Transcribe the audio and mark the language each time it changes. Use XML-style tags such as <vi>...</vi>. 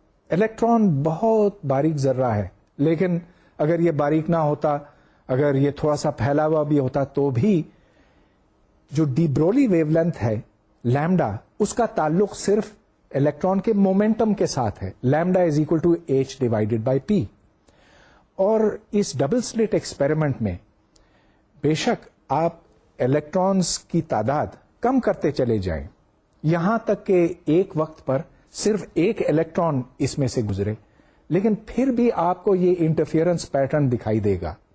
<ur>Electron بہت باریک ذرہ ہے, لیکن اگر یہ باریک نہ ہوتا, اگر یہ تھوڑا سا پھیلا ہوا بھی ہوتا, تو بھی جو ڈی برولی ویو لینتھ ہے لیمڈا, اس کا تعلق صرف الیکٹران کے مومنٹم کے ساتھ ہے.</ur> <en>Lambda is equal to h divided by p.</en> <ur>اور اس ڈبل سلٹ ایکسپیریمنٹ میں بے شک آپ الیکٹرانز کی تعداد کم کرتے چلے جائیں, یہاں تک کہ ایک وقت پر صرف ایک الیکٹران اس میں سے گزرے لیکن پھر بھی آپ کو یہ انٹرفیئرنس پیٹرن دکھائی دے گا.</ur>